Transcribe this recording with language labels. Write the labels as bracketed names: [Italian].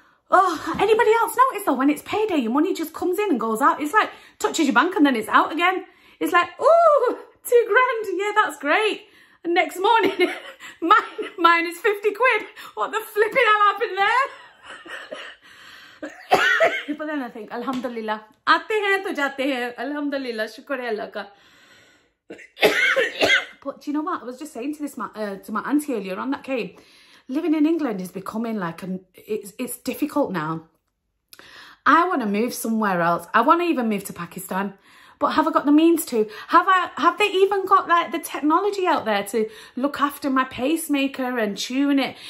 [English] Oh, anybody else notice though, when it's payday, your money just comes in and goes out. It's like touches your bank and then it's out again. It's like, ooh, 2 grand. Yeah, that's great. And next morning, mine is 50 quid. What the flipping hell happened there? But then I think, alhamdulillah. [Urdu] آتے ہیں تو جاتے ہیں۔ [Arabic] Alhamdulillah. [Urdu] شکریہ اللہ کا۔ [English] But do you know what? I was just saying to this to my auntie earlier on that came. Living in England is becoming like, it's difficult now. I want to move somewhere else. I want to even move to Pakistan. But have I got the means to? Have they even got like the technology out there to look after my pacemaker and tune it?